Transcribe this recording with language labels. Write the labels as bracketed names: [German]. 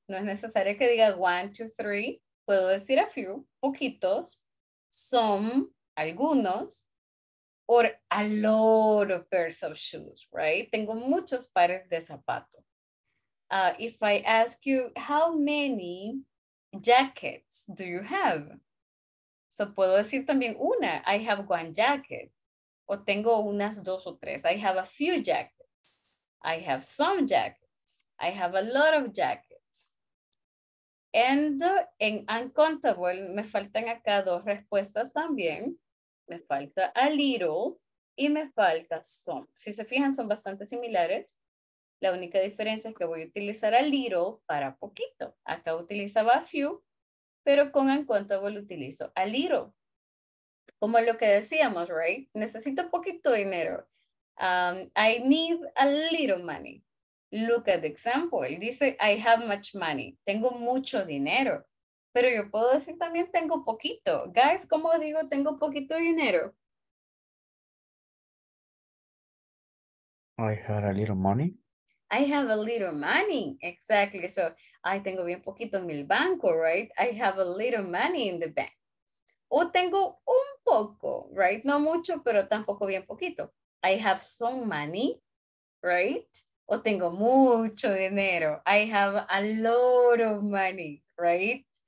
[English] No es necesario que diga one, two, three. Puedo decir a few, poquitos, some, algunos, or a lot of pairs of shoes, right? [Spanish] Tengo muchos pares de zapatos. [English] If I ask you, how many jackets do you have? So puedo decir también una, I have one jacket. [Spanish] O tengo unas dos o tres. I have a few jackets. [English] I have some jackets. I have a lot of jackets. [Spanish] And en uncountable, me faltan acá dos respuestas también. Me falta a little y me falta some. Si se fijan, son bastante similares. La única diferencia es que voy a utilizar a little para poquito. Acá utilizaba a few, pero con uncountable utilizo a little. Como lo que decíamos, right? Necesito poquito dinero. [English] I need a little money. Look at the example. [Spanish] Dice, I have much money. Tengo mucho dinero. Pero yo puedo decir también, tengo poquito. Guys, ¿cómo digo tengo poquito dinero? [English] I have a little money. I have a little money. Exactly. [Spanish] So, I tengo bien poquito en el banco, right? [English] I have a little money in the bank. [Spanish] O tengo un poco, right? No mucho, pero tampoco bien poquito. [English] I have some money, right? O tengo mucho dinero. I have a lot of money, right?